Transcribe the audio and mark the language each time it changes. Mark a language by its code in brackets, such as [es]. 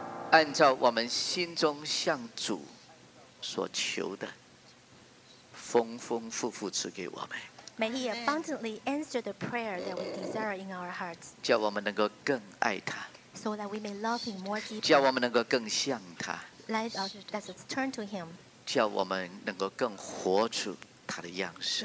[zh] 按照我们心中向主所求的，丰丰富富赐给我们。 [en] May He abundantly answer the prayer that we desire in our hearts. [zh] 叫我们能够更爱他。 [en] So that we may love Him more deeply. [zh] 叫我们能够更像他。 [en] Let us turn to Him. [zh] 叫我们能够更活出他的样式。